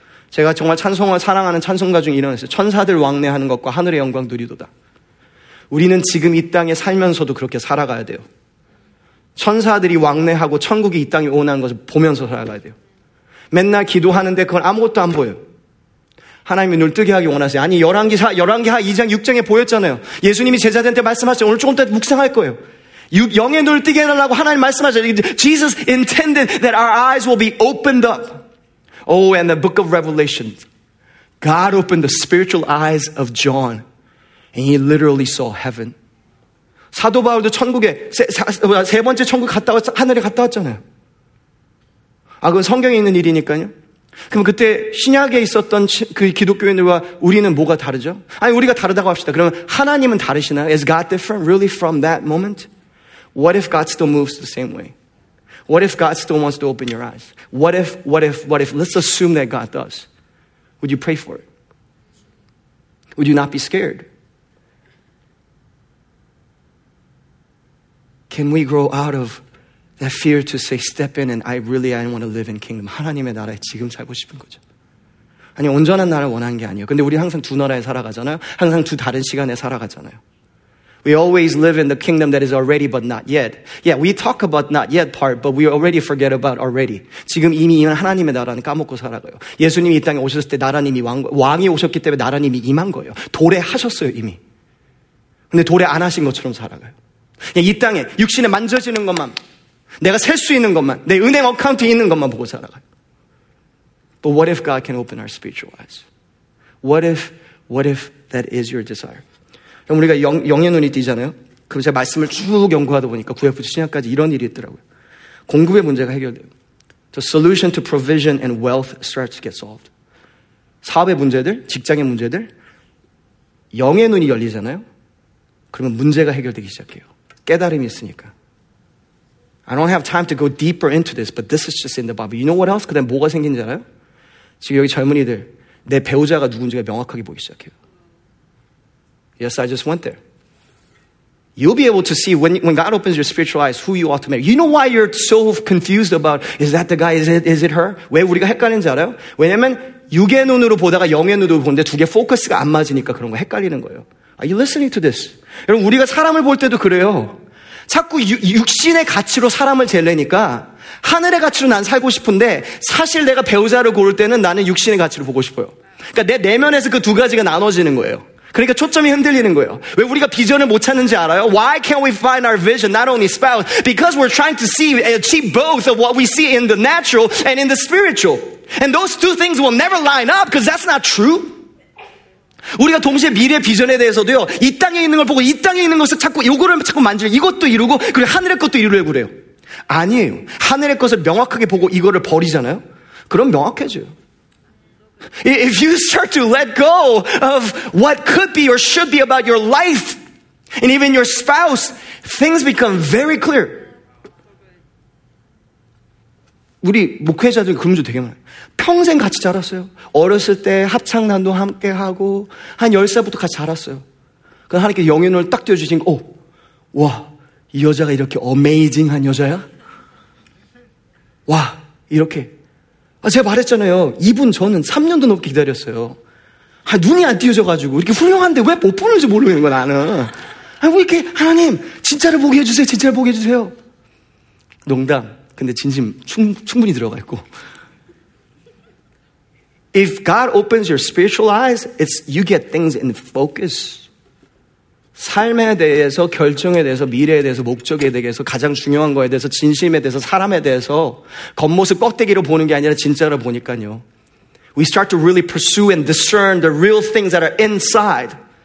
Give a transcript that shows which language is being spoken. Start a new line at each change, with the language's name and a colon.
Korean: 제가 정말 찬송을 사랑하는 찬송가 중에 이런 있어요. 천사들 왕래하는 것과 하늘의 영광 누리도다. 우리는 지금 이 땅에 살면서도 그렇게 살아가야 돼요. 천사들이 왕래하고 천국이 이 땅에 오는 것을 보면서 살아가야 돼요. 맨날 기도하는데 그건 아무것도 안 보여요. 하나님이 눈을 뜨게 하기 원하세요. 아니 열왕기하 2장 6장에 보였잖아요. 예수님이 제자들한테 말씀하셨어요. 오늘 조금 더 묵상할 거예요. 영의 눈을 뜨게 해달라고 하나님 말씀하셨어요.
English: Jesus intended that our eyes will be opened up. Oh, and the book of Revelation. God opened the spiritual eyes of John. And he literally saw heaven.
Korean: 사도 바울도 천국에 세 번째 천국 갔다 왔 하늘에 갔다 왔잖아요. 아, 그건 성경에 있는 일이니까요. 그럼 그때 신약에 있었던 그 기독교인들과 우리는 뭐가 다르죠? 아니 우리가 다르다고 합시다. 그러면 하나님은 다르시나요?
English: Is God different really from that moment? What if God still moves the same way? What if God still wants to open your eyes? What if? Let's assume that God does. Would you pray for it? Would you not be scared? Can we grow out of that fear to say, step in and I want to live in kingdom.
Korean: 하나님의 나라에 지금 살고 싶은 거죠. 아니, 온전한 나라를 원하는 게 아니에요. 근데 우리 항상 두 나라에 살아가잖아요. 항상 두 다른 시간에 살아가잖아요.
English: We always live in the kingdom that is already but not yet. Yeah, we talk about not yet part, but we already forget about already.
Korean: 지금 이미 하나님의 나라는 까먹고 살아가요. 예수님이 이 땅에 오셨을 때 나라는 이미 왕이 오셨기 때문에 나라는 이미 임한 거예요. 도래하셨어요, 이미. 근데 도래 안 하신 것처럼 살아가요. 이 땅에 육신에 만져지는 것만 내가 셀 수 있는 것만 내 은행 어카운트에 있는 것만 보고 살아가요.
English: But what if God can open our spiritual eyes? What if that is your desire?
Korean: 그럼 우리가 영의 눈이 띄잖아요. 그럼 제가 말씀을 쭉 연구하다 보니까 구약부터 신약까지 이런 일이 있더라고요. 공급의 문제가 해결돼요.
English: The solution to provision and wealth starts to get solved.
Korean: 사업의 문제들, 직장의 문제들 영의 눈이 열리잖아요. 그러면 문제가 해결되기 시작해요. 깨달음이 있으니까.
English: I don't have time to go deeper into this, but this is just in the Bible. You know what else?
Korean: 그 다음에 뭐가 생긴지 알아요? 지금 여기 젊은이들, 내 배우자가 누군지가 명확하게 보이기 시작해요.
English: Yes, I just went there. You'll be able to see when God opens your spiritual eyes who you ought to marry. You know why you're so confused about is that the guy, is it her?
Korean: 왜 우리가 헷갈리는지 알아요? 왜냐면 육의 눈으로 보다가 영의 눈으로 보는데 두 개 포커스가 안 맞으니까 그런 거 헷갈리는 거예요.
English: Are you listening to this?
Korean: 여러분 우리가 사람을 볼 때도 그래요. 자꾸 육신의 가치로 사람을 재려니까 하늘의 가치로 난 살고 싶은데 사실 내가 배우자를 고를 때는 나는 육신의 가치로 보고 싶어요. 그러니까 내 내면에서 그 두 가지가 나눠지는 거예요. 그러니까 초점이 흔들리는 거예요. 왜 우리가 비전을 못 찾는지 알아요?
English: Why can't we find our vision, not only spouse? Because we're trying to see and achieve both of what we see in the natural and in the spiritual. And those two things will never line up because that's not true.
Korean: 우리가 동시에 미래 비전에 대해서도요. 이 땅에 있는 걸 보고 이 땅에 있는 것을 찾고 이거를 자꾸 만지고 이것도 이루고 그리고 하늘의 것도 이루려고 그래요. 아니에요. 하늘의 것을 명확하게 보고 이거를 버리잖아요. 그럼 명확해져요.
English: If you start to let go of what could be or should be about your life and even your spouse, things become very clear.
Korean: 우리 목회자들이 그런 줄 되게 많아요. 평생 같이 자랐어요. 어렸을 때 합창단도 함께하고 한 10살부터 같이 자랐어요. 그럼 하나님께 영의 눈을 딱 띄워주시니까 오, 와, 이 여자가 이렇게 어메이징한 여자야? 와, 이렇게. 아, 제가 말했잖아요. 이분 저는 3년도 넘게 기다렸어요. 아, 눈이 안 띄어져가지고 이렇게 훌륭한데 왜 못 보는 줄 모르겠는 거 나는. 아, 왜 이렇게 하나님 진짜를 보게 해주세요. 진짜를 보게 해주세요. 농담. 근데 진심 충분히 들어가 있고.
English: If God opens your spiritual eyes, it's you get things in focus.
Korean: 삶에 대해서, 결정에 대해서, 미래에 대해서, 목적에 대해서, 가장 중요한 거에 대해서, 진심에 대해서, 사람에 대해서 겉모습 껍데기로 보는 게 아니라 진짜로 보니까요.
English: We start to really pursue and discern the real things that are inside.